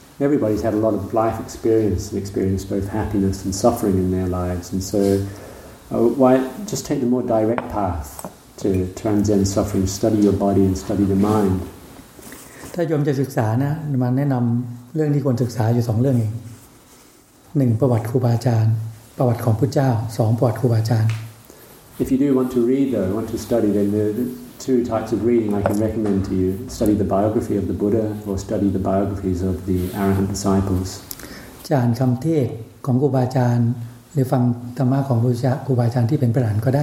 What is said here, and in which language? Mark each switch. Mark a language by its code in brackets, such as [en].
[en] Everybody's had a lot of life experience and experienced both happiness and suffering in their lives and so why just take the more direct path to transcend suffering study your body and study the mind [th] ถ้าโยมจะศึกษานะมาแนะนำเรื่องที่ควรศึกษาอยู่สองเรื่องเองหนึ่งประวัติครูบาอาจารย์ประวัติของพุทธเจ้าสองประวัติครูบาอาจารย์ [en] If you do want to read, though, want to study, then there are two types of reading I can recommend to you. Study the biography of the Buddha or study the biographies of the Arahant disciples. [th] จานคำเทศของครูบาอาจารย์หรือฟังธรรมะของครูบาอาจารย์ที่เป็นพระอรหันต์ก็ได